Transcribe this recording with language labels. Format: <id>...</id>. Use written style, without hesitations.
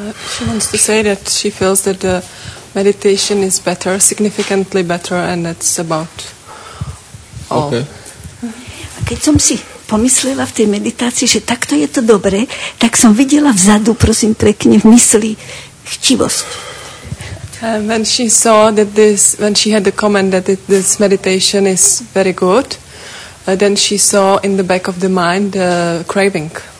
<en>She wants to say that she feels that the meditation is better, significantly better, and that's about all. Okay.</en> <sk>A keď som si pomyslela v tej meditácii, že takto je to dobre, tak som videla vzadu, prosím, prekne v mysli chtivosť.</sk> <en>When she saw that this, when she had the comment that it, this meditation is very good, then she saw in the back of the mind the craving.</en>